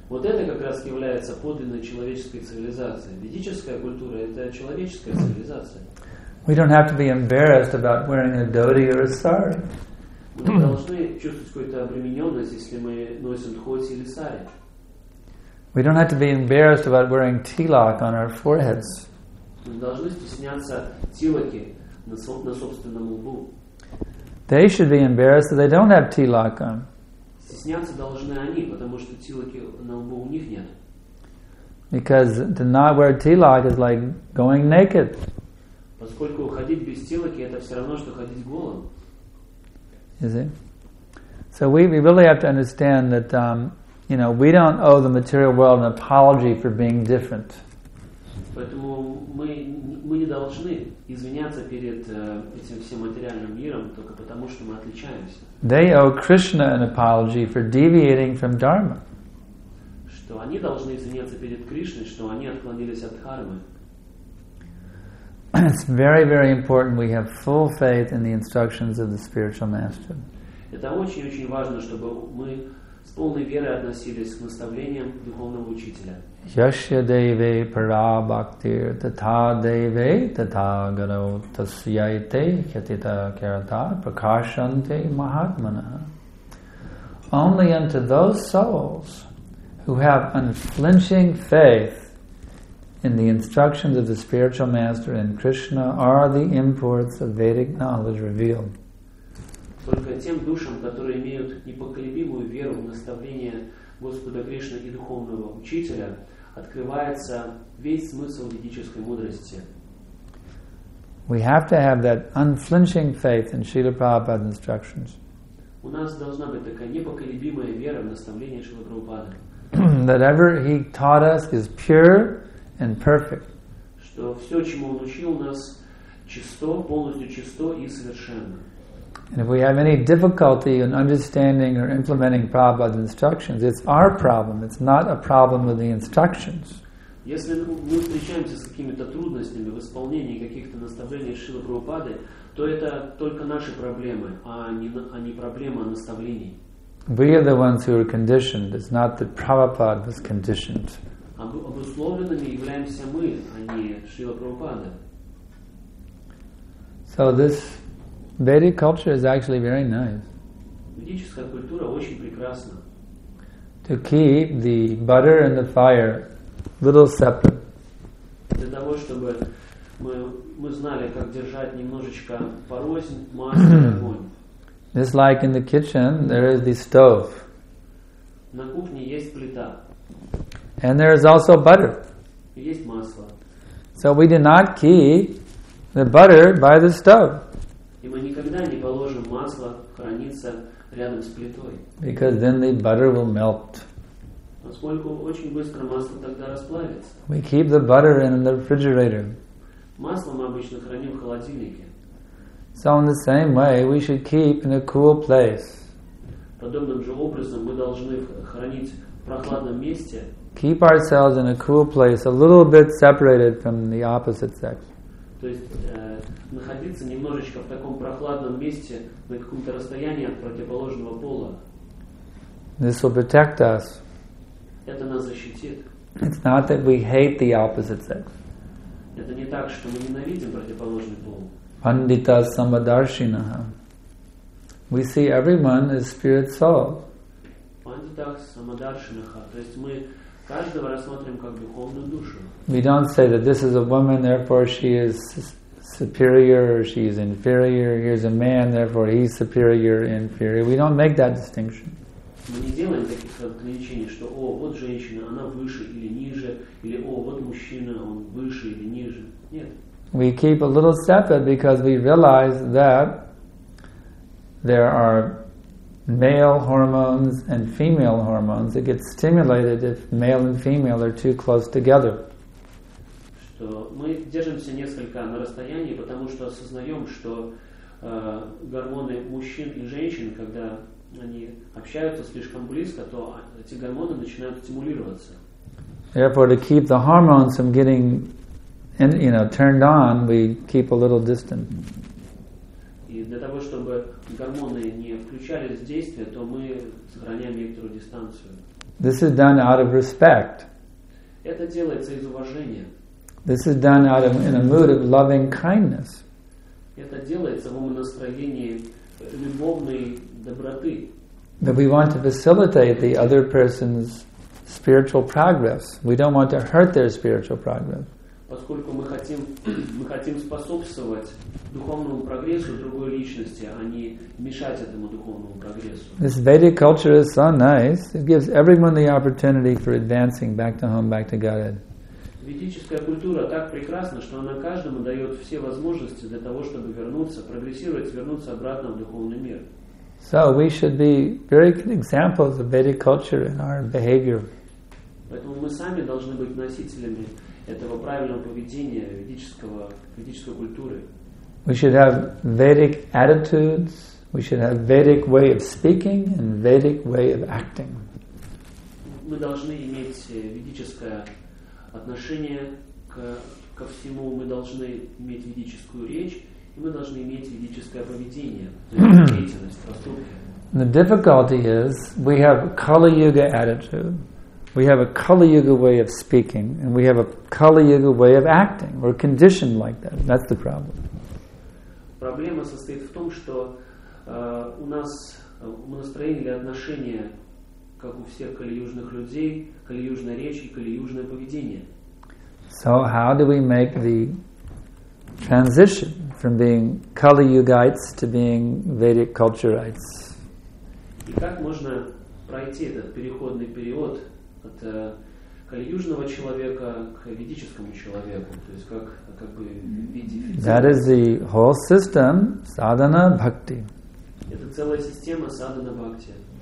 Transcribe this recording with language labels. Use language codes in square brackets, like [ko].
[ru] Вот это как раз является подлинной человеческой цивилизацией. Ведическая культура — это человеческая цивилизация. [en] We don't have to be embarrassed about wearing a dhoti or a sari. [ru] Мы не должны чувствовать какую-то обремененность, если мы носим дхоти или сари. [en] We don't have to be embarrassed about wearing tilak on our foreheads. [ru] Мы не должны стесняться тилаки на собственном лбу. [en] They should be embarrassed that they don't have tilak on. [ru] Стесняться должны они, потому что тилаки на лбу у них нет. [en] Because to not wear tilak is like going naked. [ru] Поскольку ходить без тилаки — это все равно, что ходить голым. [en] Is it? So we really have to understand that you know, we don't owe the material world an apology for being different. [ru] Поэтому мы не должны извиняться перед этим всем материальным миром только потому, что мы отличаемся. [en] They owe Krishna an apology for deviating from Dharma. [ru] Что они должны извиняться перед Кришной, что они отклонились от Дхармы. [en] It's very, very important we have full faith in the instructions of the spiritual master. [ru] Это очень-очень важно, чтобы мы с полной верой относились к наставлениям духовного учителя. [sa] Yasya deve para bhaktir tatha deve tatha garo tasyaite khyatita kyarata prakashante mahatmana. [en] Only unto those souls who have unflinching faith in the instructions of the spiritual master and Krishna are the imports of Vedic knowledge revealed. [ru] Только тем душам, которые имеют непоколебимую веру в наставления Господа Кришны и духовного учителя, открывается весь смысл ведической мудрости. [en] We have to have that unflinching faith in Srila Prabhupada's instructions. [ru] У нас должна быть такая непоколебимая вера в наставления Шрилы Прабхупады. [en] Whatever he taught us is pure and perfect. [ru] Что все, чему он учил нас, чисто, полностью чисто и совершенно. [en] And if we have any difficulty in understanding or implementing Prabhupada's instructions, it's our problem. It's not a problem with the instructions. [ru] Если мы встречаемся с какими-то трудностями в исполнении каких-то наставлений Шрилы Прабхупады, то это только наши проблемы, а не проблема наставлений. [en] We are the ones who are conditioned. It's not that Prabhupada was conditioned. [ru] Обусловленными являемся мы, а не Шрила Прабхупада. [en] So this Vedic culture is actually very nice. [ru] Ведическая культура очень прекрасна. [en] To keep the butter and the fire a little separate. [ru] Для того, чтобы мы знали, как держать немножечко порознь, масло и огонь. [en] Just like in the kitchen, there is the stove. [ru] На кухне есть плита. [en] And there is also butter. [ru] И есть масло. [en] So we do not keep the butter by the stove. [ru] И мы никогда не положим масло храниться рядом с плитой. [en] Because then the butter will melt. [ru] Поскольку очень быстро масло тогда расплавится. [en] We keep the butter in the refrigerator. [ru] Масло мы обычно храним в холодильнике. [en] So in the same way, we should keep in a cool place. [ru] Подобным же образом мы должны хранить в прохладном месте. [en] Keep ourselves in a cool place, a little bit separated from the opposite sex. [ru] То есть находиться немножечко в таком прохладном месте на каком-то расстоянии от противоположного пола. [en] This will protect us. [ru] Это нас защитит. [en] It's not that we hate the opposite sex. [ru] Это не так, что мы ненавидим противоположный пол. [sa] Пандита самадаршинаха. [en] We see everyone as spirit soul. [sa] Пандита самадаршинаха. [ru] То есть мы каждого рассматриваем как духовную душу. [en] We don't say that this is a woman, therefore she is superior, she is inferior. Here's a man, therefore he's superior, inferior. We don't make that distinction. [ru] Мы не делаем таких отличений, что о, вот женщина, она выше или ниже, или о, вот мужчина, он выше или ниже. Нет. [en] We keep a little separate because we realize that there are male hormones and female hormones that get stimulated if male and female are too close together. [ru] Что мы держимся несколько на расстоянии, потому что осознаем, что гормоны мужчин и женщин, когда они общаются слишком близко, то эти гормоны начинают стимулироваться. [en] Therefore, to keep the hormones from getting, you know, turned on, we keep a little distance. [ru] И для того, чтобы гормоны не включались в действие, то мы сохраняем некоторую дистанцию. [en] This is done out of respect. [ru] Это делается из уважения. [en] This is done out of, in a mood of loving kindness. [ru] Это делается в настроении любовной доброты. [en] That we want to facilitate the other person's spiritual progress. We don't want to hurt their spiritual progress. [ru] Поскольку мы хотим способствовать духовному прогрессу другой личности, а не мешать этому духовному прогрессу. [en] This Vedic culture is so nice. It gives everyone the opportunity for advancing back to home, back to Godhead. [ru] Ведическая культура так прекрасна, что она каждому дает все возможности для того, чтобы вернуться, прогрессировать, вернуться обратно в духовный мир. [en] So we should be very good examples of Vedic culture in our behavior. [ru] Поэтому мы сами должны быть носителями этого правильного поведения ведической культуры. [en] We should have Vedic attitudes, we should have Vedic way of speaking and Vedic way of acting. [ru] Мы должны иметь ведическое отношение ко всему, мы должны иметь ведическую речь, и мы должны иметь ведическое поведение, то есть деятельность, поступки. [en] The difficulty is, we have Kali-Yuga attitude, we have a Kali-Yuga way of speaking, and we have a Kali-Yuga way of acting. We're conditioned like that. That's the problem. [ru] Проблема состоит в том, что у нас настроение или отношение, как у всех калиюжных людей, калиюжная речь и калиюжное поведение. [en] So how do we make the transition from being Kali-Yugites to being Vedic culturites? [ru] И как можно пройти этот переходный период от калиюжного человека к ведическому человеку? То есть как бы видеть? [en] That is the whole system, sadhana bhakti. [ru] Это целая система sadhana bhakti.